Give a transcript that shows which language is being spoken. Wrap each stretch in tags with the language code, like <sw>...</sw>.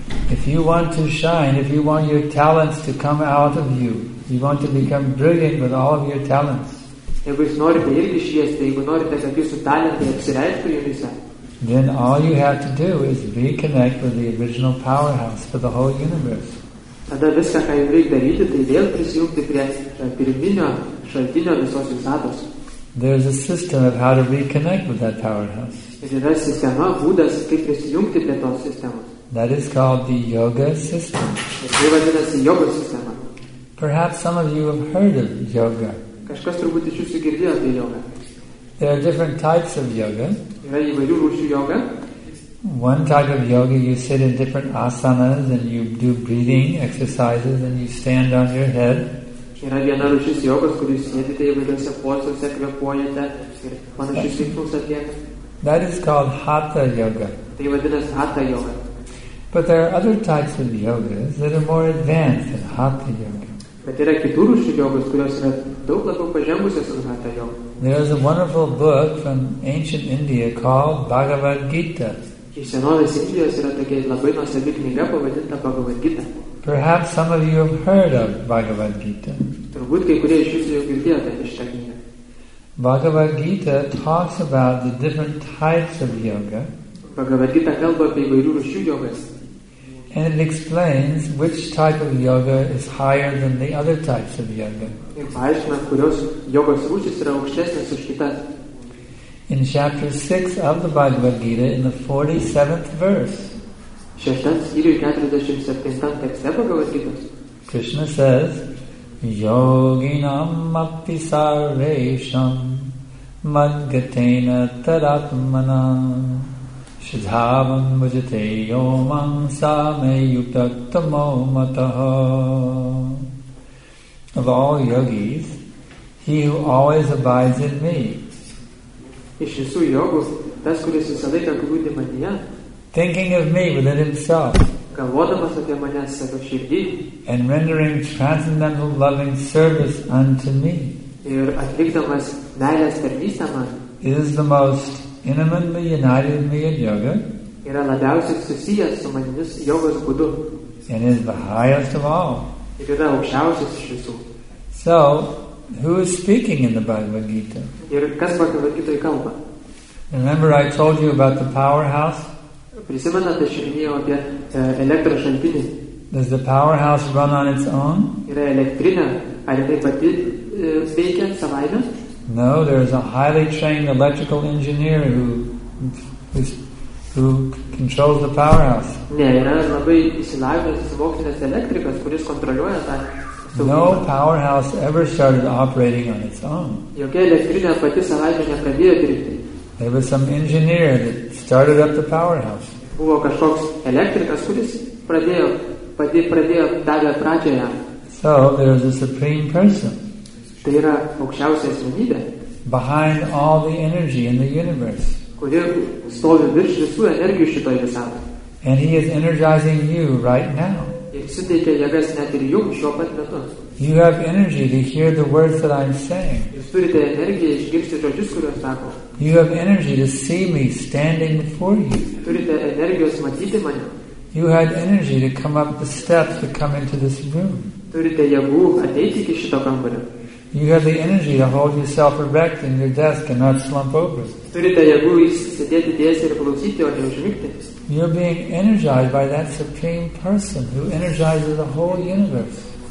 <en>If you want to shine, if you want your talents to come out of you, you want to become brilliant with all of your talents.</en> <lt>Jeigu jūs norite irgi šviesti, jeigu norite, kad jūsų talentai apsireiškų jumyse.</lt> <en>Then all you have to do is reconnect with the original powerhouse for the whole universe.</en> <lt>Tada viską, ką jums reikia daryti, tai vėl prisijungti prie pirminio šaltinio visos visatos.</lt> <en>There is a system of how to reconnect with that powerhouse.</en> <lt>Yra sistema, būdas, kaip prisijungti prie tos sistemos.</lt> <en>That is called the yoga system.</en> <lt>Tai vadinasi yoga sistema.</lt> <en>Perhaps some of you have heard of yoga.</en> <lt>Kažkas turbūt iš jūsų girdėjo apie yoga.</lt> <en>There are different types of yoga.</en> <lt>Yra įvairių rūšių yoga.</lt> <en>One type of yoga, you sit in different asanas and you do breathing exercises and you stand on your head.</en> <lt>Yra viena rūšis jogos, kur jūs sėdite įvairiuose pozose, kvėpuojate ir panašius veiksmus atliekate.</lt> <en>That is called hatha yoga.</en> <lt>Tai vadinasi hatha yoga.</lt> <en>But there are other types of yogas that are more advanced than hatha yoga.</en> <lt>Bet yra kitų rūšių jogos, kurios yra daug labiau pažengusios už hatha yoga.</lt> <en>There is a wonderful book from ancient India called Bhagavad Gita.</en> <lt>Iš senovės Indijos yra tokia labai nuostabi knyga pavadinta Bhagavad Gita.</lt> <en>Perhaps some of you have heard of Bhagavad Gita.</en> <lt>Turbūt kai kurie iš jūsų jau girdėjote apie šitą knygą.</lt> <en>Bhagavad Gita talks about the different types of yoga.</en> <lt>Bhagavad Gita kalba apie įvairių rūšių jogas.</lt> <en>And it explains which type of yoga is higher than the other types of yoga.</en> <lt>Ir paaiškina, kurios jogos rūšis yra aukštesnės už kitas.</lt> <en>In chapter 6 of the Bhagavad Gita, in the 47th verse, Krishna says,</en> <sa>Yoginam apti sarvesham madgatena taratmanam shidhavam bhajate yomam samayutattamo mataha.</sa> <en>Of all yogis, he who always abides in me.</en> <lt>Iš visų jogų, tas, kuris visą laiką glūdi manyje,</lt> <en>thinking of me within himself,</en> <lt>galvodamas apie mane savo širdį,</lt> <en>and rendering transcendental loving service unto me,</en> <lt>ir atlikdamas meilės tarnystę man,</lt> <en>is the most intimately united me in yoga,</en> <lt>yra labiausiai susijęs su manimis jogos būdu,</lt> <en>and is the highest of all,</en> <lt>ir yra aukščiausias iš visų.</lt> <en>So, who is speaking in the Bhagavad Gita?</en> <lt>Ir kas Bhagavad Gita'i kalba?</lt> <en>Remember I told you about the powerhouse?</en> <lt>Prisimenate, aš minėjau apie elektros šaltinį?</lt> <en>Does the powerhouse run on its own?</en> <lt>Yra elektrinė, ar tai pati veikia savaime?</lt> <en>No, there is a highly trained electrical engineer who controls the powerhouse.</en> <lt>Ne, yra labai išsilavinęs mokslinis elektrikas, kuris kontroliuoja tą.</lt> <en>No powerhouse ever started operating on its own.</en> <lt>Jokia elektrinė pati savaime nepradėjo dirbti.</lt> <en>There was some engineer that started up the powerhouse.</en> <lt>Buvo kažkoks elektrikas, kuris pradėjo davė pradžią.</lt> <en>So there is a supreme person.</en> <lt>Tai yra aukščiausia asmenybė.</lt> <en>Behind all the energy in the universe.</en> <lt>Kuri stovi virš visų energijų šitoje visatoje.</lt> <en>And he is energizing you right now.</en> <lt>Suteikia jėgas net ir jums šiuo pat metu.</lt> <en>You have energy to hear the words that I'm saying.</en> <lt>Jūs turite energiją išgirsti žodžius, kuriuos sako.</lt> <en>You have energy to see me standing before you.</en> <lt>Turite energijos matyti mane.</lt> <en>You had energy to come up the steps to come into this room.</en> <lt>Turite jėgų ateiti iki šito kambario.</lt> <en>You have the energy to hold yourself erect in your desk and not slump over.</en> <lt>Turite jėgų sėdėti tiesiai ir klausyti, o ne užmigti.</lt> <en>You're being energized by that supreme person who energizes the whole universe.</en>